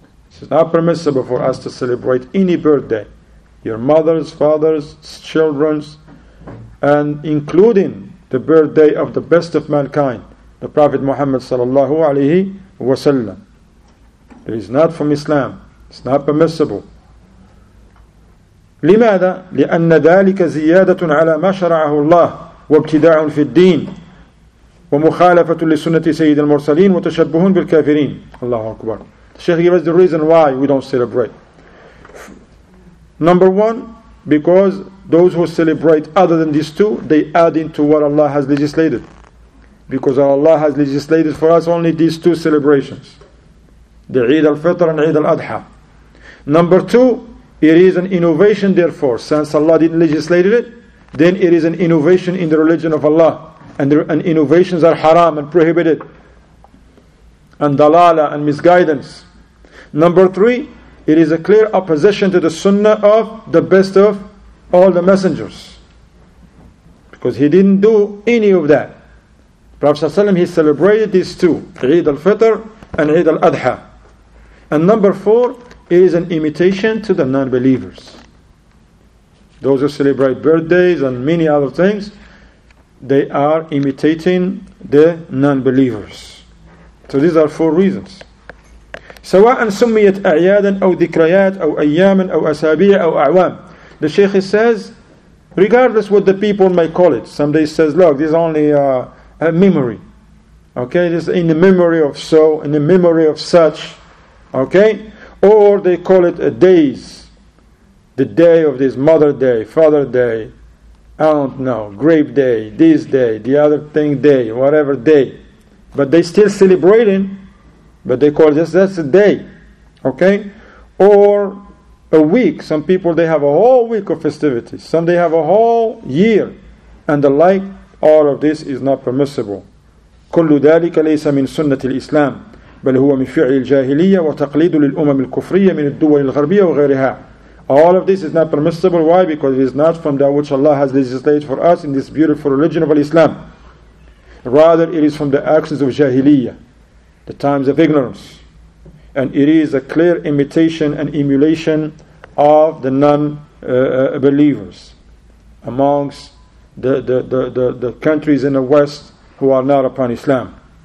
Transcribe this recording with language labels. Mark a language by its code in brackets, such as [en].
[en] It's not permissible for us to celebrate any birthday, your mother's, father's, children's, and including the birthday of the best of mankind, the Prophet Muhammad sallallahu alaihi wasallam. It is not from Islam. It's not permissible. [ar] لماذا؟ لأن ذلك زيادة على ما شرعه الله وابتداع في الدين. ومخالفة لسنة سيد المرسلين وتشبه بالكافرين. الله أكبر. [en] الشيخ gives the reason why we don't celebrate. Number 1, because those who celebrate other than these 2, they add into what Allah has legislated. Because Allah has legislated for us only these 2 celebrations. The Eid al-Fitr and Eid al-Adha. Number 2, it is an innovation therefore. Since Allah didn't legislate it, then it is an innovation in the religion of Allah. And innovations are haram and prohibited. And dalala and misguidance. Number 3, it is a clear opposition to the sunnah of the best of all the messengers. Because he didn't do any of that. Prophet ﷺ, he celebrated these 2, Eid al-Fitr and Eid al-Adha. And number 4, it is an imitation to the non-believers. Those who celebrate birthdays and many other things, they are imitating the non-believers. So these are 4 reasons. [ar] سواء سميت أعيادا أو ذكريات أو أياما أو أسابيع أو أعوام. [en] The Shaykh says, regardless what the people may call it, somebody says, look, this is only a memory. Okay, this is in the memory of so, in the memory of such. Okay, or they call it a days, the day of this, Mother Day, Father Day, I don't know, grape day, this day, the other thing day, whatever day. But they still celebrating, but they call just that's a day. Okay? Or a week. Some people, they have a whole week of festivities. Some they have a whole year. And the like, all of this is not permissible. [ar] كل ذلك ليس من سنة الإسلام بل هو من فعل الجاهلية وتقليد للأمم الكفرية من الدول الغربية وغيرها. [en] All of this is not permissible. Why? Because it is not from that which Allah has legislated for us in this beautiful religion of Islam. Rather, it is from the actions of Jahiliyyah, the times of ignorance. And it is a clear imitation and emulation of the non-believers amongst the countries in the West who are not upon Islam.